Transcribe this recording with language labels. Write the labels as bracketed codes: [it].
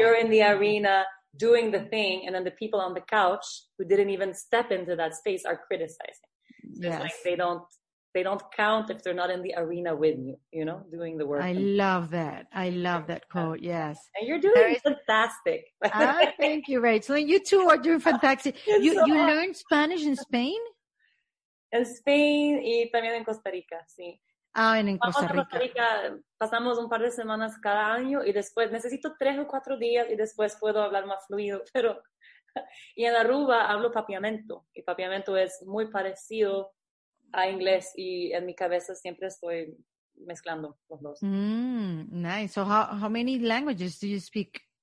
[en] You're in the arena doing the thing, and then the people on the couch who didn't even step into that space are criticizing. So yes. It's like they don't count if they're not in the arena with you, you know, doing the work. I love that. I love that quote. Yes. And you're doing fantastic. thank you, Rachel. You too are doing fantastic. You learned Spanish in Spain? In Spain [es] y también en Costa Rica, sí. Ah, en Costa Rica. Costa Rica. Pasamos un par de semanas cada año y después necesito 3 o 4 días y después puedo hablar más fluido, pero... Y en Aruba hablo papiamento y papiamento es muy parecido a inglés y en mi cabeza siempre estoy mezclando los dos. [en] Mm, nice. So how many languages do you speak?